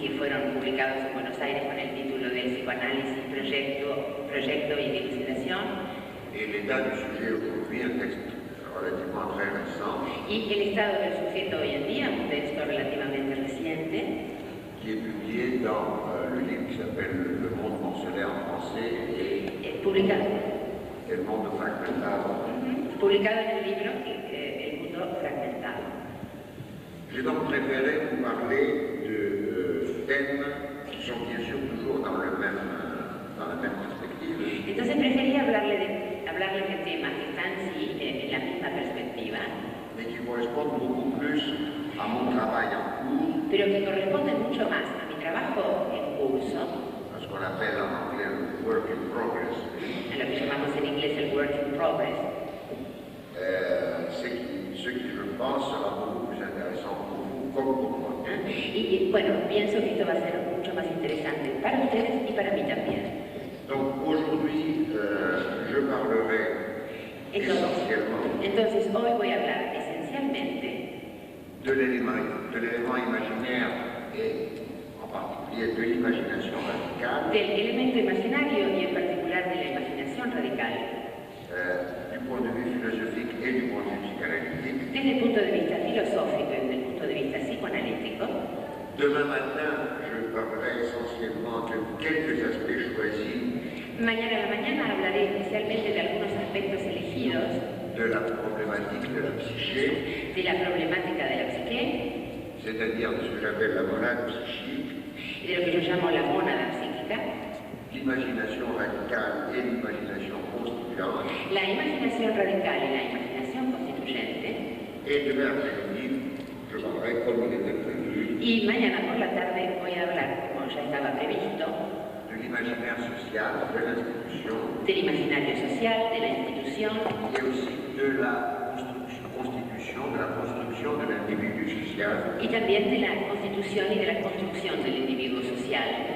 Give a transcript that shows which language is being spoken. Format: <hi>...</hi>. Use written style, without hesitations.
<es>que fueron publicados en Buenos Aires con el título de psicoanálisis, proyecto y dilucidación. Y el estado del sujeto hoy en día, un texto relativamente reciente.</es> <fr>Qui est publié dans le livre qui s'appelle Le Monde mensuel en français. Et</fr> <es>publicado. El mundo fragmentado. Mm-hmm. Publicado en el libro El mundo fragmentado.</es> <fr>J'ai donc préféré vous parler de thèmes qui sont bien sûr toujours dans la même perspective.</fr> <es>Entonces preferí hablarle de temas que están sí en la misma perspectiva.</es> <fr>Mais qui correspondent beaucoup plus à mon travail en cours.</fr> <es>Pero que corresponden mucho más a mi trabajo en curso. Es con la pena en inglés,</es> <en>work in progress.</en> <es>A lo que llamamos en inglés el</es> <en>work in progress.</en> <fr>Ce que je pense sera beaucoup plus intéressant pour vous, comme pour moi.</fr> <es>Y bueno, pienso que esto va a ser mucho más interesante para ustedes y para mí también.</es> <fr>Donc aujourd'hui, je parlerai</fr> <es>entonces hoy voy a hablar esencialmente</es> <fr>de l'élément imaginaire et en particulier de l'imagination radicale.</fr> <es>Del elemento imaginario y en particular de la imaginación radical.</es> <fr>Du point de vue philosophique et du point de vue psychanalytique.</fr> <es>Desde el punto de vista filosófico y desde el punto de vista psicoanalítico.</es> <fr>Demain matin, je je parlerai essentiellement de quelques aspects choisis.</fr> <es>Mañana a la mañana hablaré inicialmente de algunos aspectos elegidos. De la problemática de la psiché. De la problemática de la psiché.</es> <fr>C'est-à-dire de ce que j'appelle la monade psychique.</fr> <es>De lo que yo llamo la monada psíquica.</es> <fr>L'imagination radicale et l'imagination constituante.</fr> <es>La imaginación radical y la imaginación constituyente.</es> <fr>Et demain après-midi, je parlerai comme il était prévu.</fr> <es>Y mañana por la tarde voy a hablar, como ya estaba previsto,</es> <fr>de l'imaginaire social de l'institution.</fr> <es>Del imaginario social de la institución. Y</es> <fr>aussi</fr> <es>de la constitución, de la construcción del individuo social. Y también de la constitución y de la construcción del individuo social.</es>